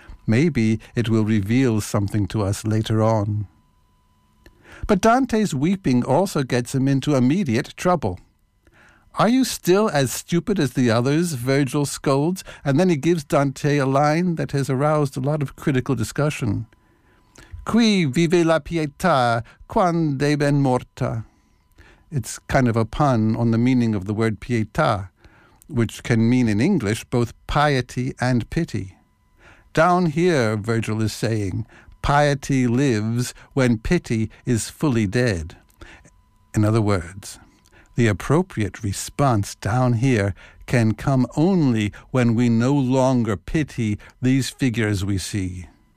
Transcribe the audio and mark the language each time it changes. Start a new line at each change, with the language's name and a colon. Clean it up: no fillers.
English: Maybe it will reveal something to us later on. But Dante's weeping also gets him into immediate trouble. Are you still as stupid as the others? Virgil scolds, and then he gives Dante a line that has aroused a lot of critical discussion.
Italian: Qui vive la pietà quand è ben morta?
English: It's kind of a pun on the meaning of the word pietà, which can mean in English both piety and pity. Down here, Virgil is saying, piety lives when pity is fully dead. In other words, the appropriate response down here can come only when we no longer pity these figures we see.